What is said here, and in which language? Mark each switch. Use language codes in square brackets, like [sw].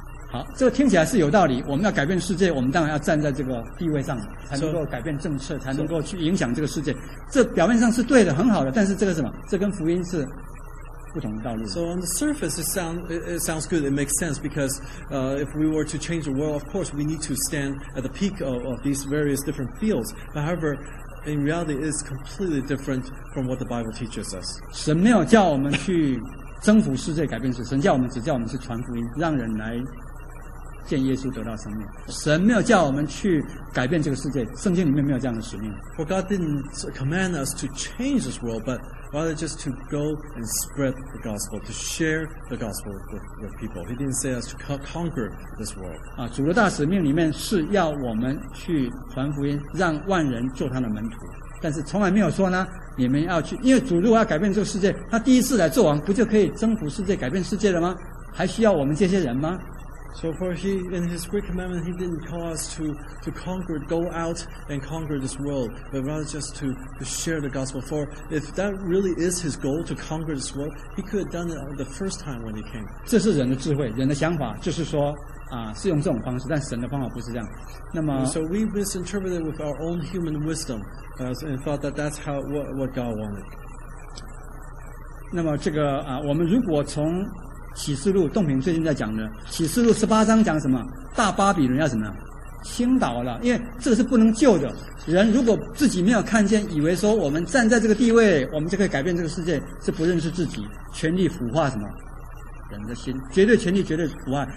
[zh] 好，这个听起来是有道理。我们要改变世界，我们当然要站在这个地位上，才能够改变政策，才能够去影响这个世界。这表面上是对的，很好的，但是这个什么？这跟福音是。 [en] So on the surface, it sounds good. It makes sense because if we were to change the world, of course, we need to stand at the peak of these various different fields. But however, in reality, it is completely different from what the Bible teaches us. [zh] 神没有叫我们去征服世界、改变世界。神叫我们只叫我们去传福音，让人来见耶稣得到生命。神没有叫我们去改变这个世界。圣经里面没有这样的使命。 [en] For God didn't command us to change this world, but rather just to go and spread the gospel, to share the gospel with people. He didn't say us to conquer this world. [zh] 主的大使命里面是要我们去传福音，让万人做他的门徒。但是从来没有说呢，你们要去，因为主如果要改变这个世界，他第一次来做王，不就可以征服世界、改变世界了吗？还需要我们这些人吗？ [en] So for he in his great commandment, he didn't call us to conquer, go out and conquer this world, but rather just to share the gospel. For if that really is his goal to conquer this world, he could have done it the first time when he came. [zh] 这是人的智慧，人的想法，就是说是用这种方式，但神的方法不是这样。那么 [en] so we misinterpreted with our own human wisdom, and thought that that's how what God wanted. [zh] 那么这个我们如果从启示录，洞平最近在讲的启示录十八章讲什么？大巴比伦要什么？倾倒了，因为这个是不能救的。人如果自己没有看见，以为说我们站在这个地位，我们就可以改变这个世界，是不认识自己，权力腐化什么人的心，绝对权力绝对腐化。